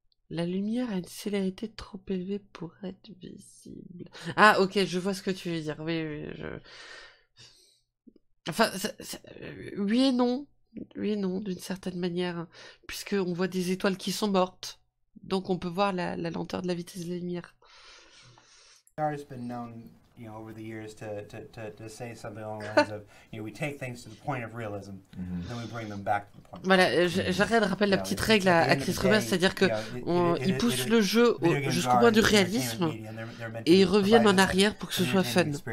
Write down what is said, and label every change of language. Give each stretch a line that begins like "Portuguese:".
French: La lumière a une célérité trop élevée pour être visible. Ah, ok, je vois ce que tu veux dire. Oui, oui, je... Enfin, oui et non. Oui et non, d'une certaine manière. Puisqu'on voit des étoiles qui sont mortes. Donc on peut voir la lenteur de la vitesse de la lumière.
English: Star has been known, you know, over the years to say something along the lines of, you know, we take things to the point of realism, mm-hmm. then we bring them back to the point.
French: Voilà, j'arrête de rappeler la petite règle à Chris Roberts, c'est-à-dire qu'il pousse le jeu jusqu'au point du réalisme et ils reviennent en arrière pour que ce soit fun.